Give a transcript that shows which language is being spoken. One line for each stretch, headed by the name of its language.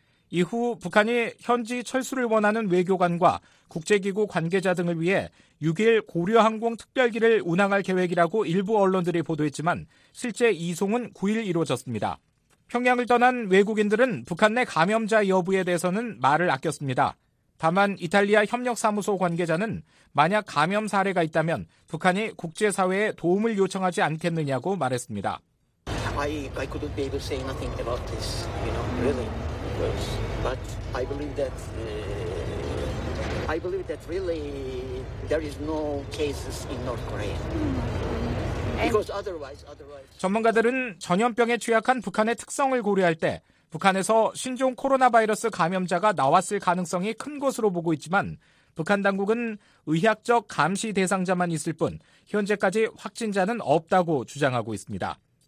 Korean: 이후 북한이 현지 철수를 원하는 외교관과 국제기구 관계자 등을 위해 6일 고려항공 특별기를 운항할 계획이라고 일부 언론들이 보도했지만 실제 이송은 9일 이루어졌습니다. 평양을 떠난 외국인들은 북한 내 감염자 여부에 대해서는 말을 아꼈습니다. 다만 이탈리아 협력사무소 관계자는 만약 감염 사례가 있다면 북한이 국제사회에 도움을 요청하지 않겠느냐고 말했습니다.
English: I couldn't be able to say nothing about this, you know, really. But I believe that really there is no cases in North Korea. Because otherwise.
Korean: 전문가들은 전염병에 취약한 북한의 특성을 고려할 때 북한에서 신종 코로나 바이러스 감염자가 나왔을 가능성이 큰 것으로 보고 있지만 북한 당국은 의학적 감시 대상자만 있을 뿐 현재까지 확진자는 없다고 주장하고 있습니다.